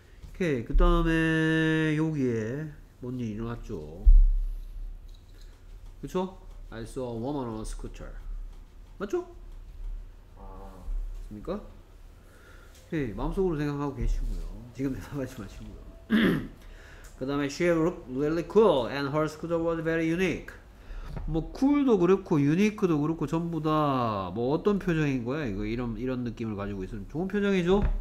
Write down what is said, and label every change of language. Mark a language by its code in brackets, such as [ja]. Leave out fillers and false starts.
[ko] 오케이, 그 다음에 여기에 뭔 일이 일어났죠? 그쵸? [en] I saw a woman on a scooter. [ko] 맞죠? 됐습니까? 오케이, 마음속으로 생각하고 계시고요. 지금 대답하지 마시고요. 그 다음에 [en] she looked really cool and her scooter was very unique. [ko] 뭐 cool도 그렇고 unique도 그렇고 전부 다 뭐 어떤 표정인 거야? 이거 이런 느낌을 가지고 있으면 좋은 표정이죠?